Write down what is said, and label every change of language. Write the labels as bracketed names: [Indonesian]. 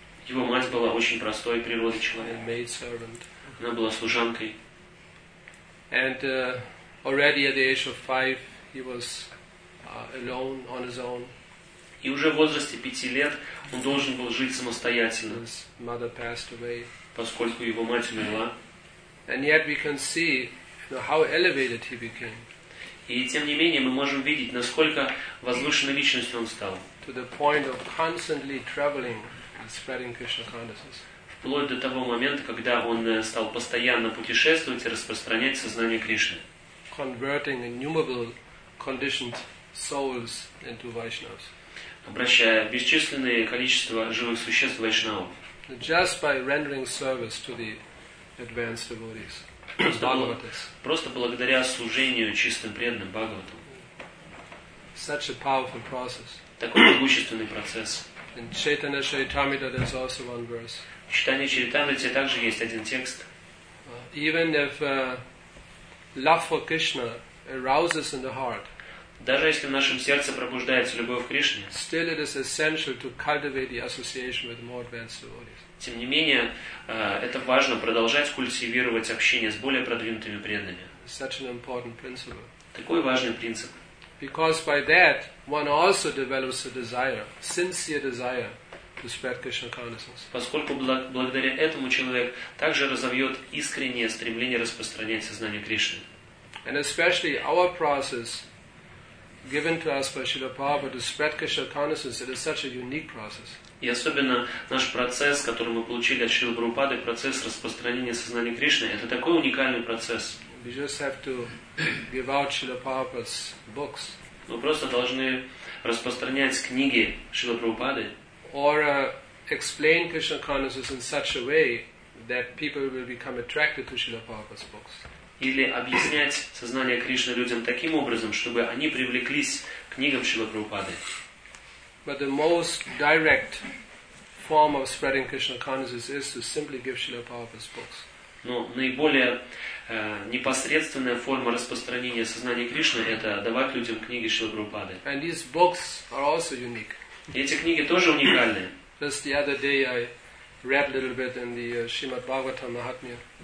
[Russian] Его мать была очень простой природы человек. [English] Maid servant. [Russian] Она была служанкой. [English] And already at the age of 5 he was alone on his own. [Russian] И уже в возрасте 5 лет он должен был жить самостоятельно. [English] His mother passed away. [Russian] Поскольку его мать умерла. [English] And yet we can see, you know, how elevated he became. [Russian] И тем не менее мы можем видеть, насколько возвышенной личностью он стал. [English] To the point of constantly traveling and spreading Krishna consciousness. [Russian] Вплоть до того момента, когда он стал постоянно путешествовать и распространять сознание Кришны. [English] Converting innumerable conditioned souls into Vaishnavas. [Russian] Обращая бесчисленное количество живых существ вайшнавов. [English] Just by rendering service to the advanced devotees. [Russian] Просто благодаря служению чистым преданным Бхагаватам. [English] Such a powerful process. [Russian] Такой могущественный процесс. [English] In Chaitanya Charitamrita there's also one verse. [Russian] В Чайтанья Чаритамрите также есть один текст. [English] Even if love for Krishna arouses in the heart. [Russian] Даже если в нашем сердце пробуждается любовь к Кришне, [English] still it is essential to cultivate the association with more advanced devotees. [Russian] Тем не менее, это важно продолжать культивировать общение с более продвинутыми преданными. [English] Such an important principle. [Russian] Такой важный принцип. [English] Because by that one also develops a desire, sincere desire to spread Krishna consciousness. [Russian] Поскольку благодаря этому человек также разовьет искреннее стремление распространять сознание Кришны. [English] And especially our process given to us by Srila Prabhupada to spread Krishna consciousness, it is such a unique process. [Russian] И особенно наш процесс, который мы получили от Шрилы Прабхупады, процесс распространения сознания Кришны, это такой уникальный процесс. [English] We just have to give out Srila Prabhupada's books. [Russian] Мы просто должны распространять книги Шрилы Прабхупады. [English] Or explain Krishna consciousness in such a way that people will become attracted to Srila Prabhupada's books. [Russian] Или объяснять сознание Кришны людям таким образом, чтобы они привлеклись к книгам Шрилы Прабхупады. [English] But the most direct form of spreading Krishna consciousness is to simply give Srila Prabhupada's books. [Russian] Но наиболее непосредственная форма распространения сознания Кришны – это давать людям книги Шрилы Прабхупады. [English] And these books are also unique. [Russian] Эти книги тоже уникальны. [English] Just the other day I read a little bit in the Srimad Bhagavatam Mahatmya.